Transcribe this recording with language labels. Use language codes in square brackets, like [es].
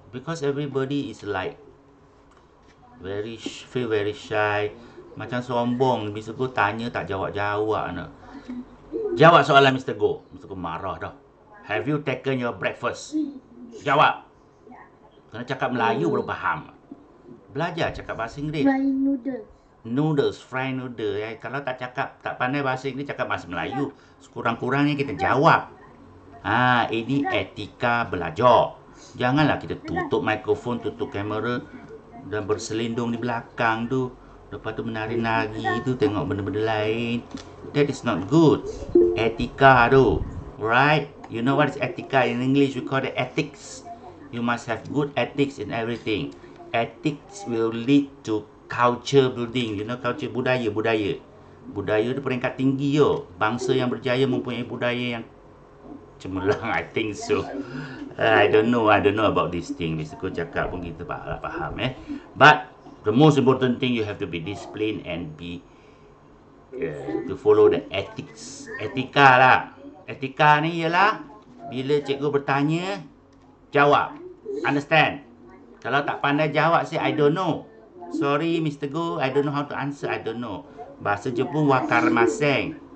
[en] Because everybody is like very feel very shy. [ms] Macam sombong. Mr. Go tanya tak jawab-jawab. Nak. Jawab soalan Mr. Go. Mr. Go marah dah. [en] Have you taken your breakfast? [ms] Jawab. Kena cakap Melayu baru faham. Belajar cakap bahasa Inggeris. [en] Fried noodle. [ms] Eh, kalau tak cakap, tak pandai bahasa Inggeris, cakap bahasa Melayu. Sekurang-kurangnya kita jawab. Ini etika belajar. Janganlah kita tutup mikrofon, tutup kamera dan berselindung di belakang tu. Lepas tu menari-nari tu, tengok benda-benda lain. [en] That is not good. [ms] Etika tu. [en] Right? You know what is etika? In English, we call it ethics. You must have good ethics in everything. Ethics will lead to culture building. You know, culture budaya. [ms] Budaya tu peringkat tinggi yo. Bangsa yang berjaya mempunyai budaya yang cemerlang. [en] I think so. I don't know about this thing. [ms] Mr. Ko cakap pun kita tak faham eh. [en] But the most important thing, you have to be disciplined and be to follow the ethics. [ms] Etika lah. Etika ni ialah bila cikgu bertanya, jawab. [en] Understand? [ms] Kalau tak pandai jawab, [en] say I don't know. Sorry Mr. Go, I don't know how to answer. I don't know. [ms] Bahasa Jepun wakar maseng.